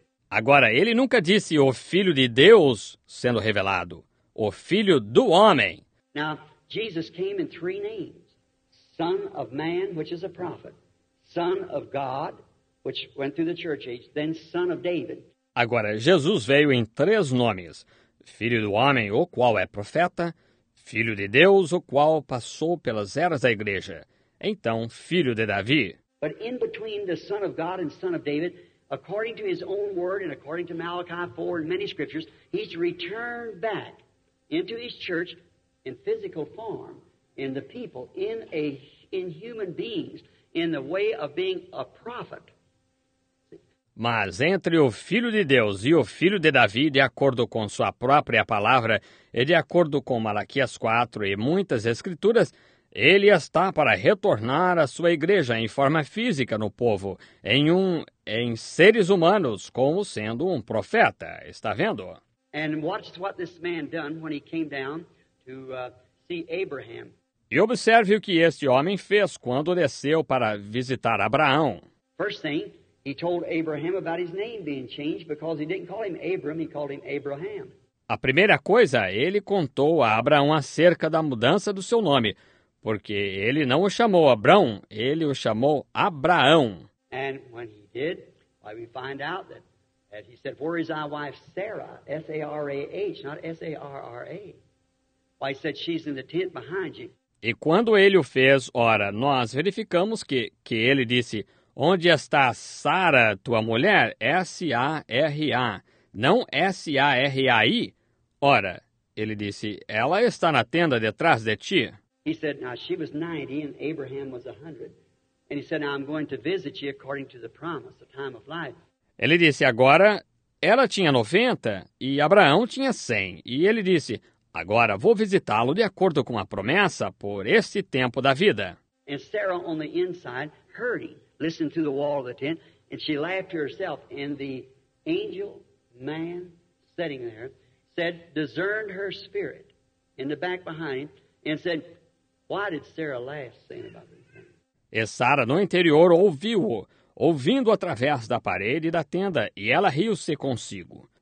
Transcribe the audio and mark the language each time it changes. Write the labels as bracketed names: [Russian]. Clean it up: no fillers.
[Portuguese] Agora, ele nunca disse o Filho de Deus sendo revelado, o Filho do Homem. [English] Now, Jesus came in three names. Son of Man, which is a prophet. Son of God, which went through the church age. Then Son of David. [Portuguese] Agora, Jesus veio em três nomes. Filho do Homem, o qual é profeta. Filho de Deus, o qual passou pelas eras da igreja. Então, filho de Davi. [English] But in between the Son of God and Son of David, according to his own word and according to Malachi 4 and many scriptures, he's returned back into his church in physical form, in the people, in human beings, in the way of being a prophet. [Portuguese] Mas entre o Filho de Deus e o Filho de Davi, de acordo com sua própria palavra, e de acordo com Malaquias 4 e muitas escrituras, ele está para retornar à sua igreja em forma física no povo, em seres humanos, como sendo um profeta. Está vendo? [English] And watch what this man done when he came down to see Abraham. [Portuguese] E observe o que este homem fez quando desceu para visitar Abraão. [English] First thing, he told Abraham about his name being changed because he didn't call him Abram, he called him Abraham. [Portuguese] A primeira coisa, ele contou a Abraão acerca da mudança do seu nome, porque ele não o chamou Abrão, ele o chamou Abraão. [English] And when he did, we find out that as he said, where is our wife Sarah? S-A-R-A-H, not S-A-R-R-A. Why he said, she's in the tent behind you. [Portuguese] E quando ele o fez, ora, nós verificamos que ele disse, onde está Sara, tua mulher? S-A-R-A. Não S-A-R-A-I. Ora, ele disse, ela está na tenda detrás de ti. [English] He said, now she was 90 and Abraham was 100. And he said, "Now I'm going to visit you according to the promise, the time of life." [Portuguese] Ele disse, agora ela tinha 90 e Abraão tinha 100. E ele disse, agora vou visitá-lo de acordo com a promessa por este tempo da vida. [English] And Sarah on the inside heard him, listened to the wall of the tent, and she laughed to herself. And the angel man sitting there said, discerned her spirit in the back behind him, and said, "Why did Sarah laugh saying about this?" [Portuguese] E Sara no interior ouviu-o, ouvindo através da parede da tenda, e ela riu-se consigo.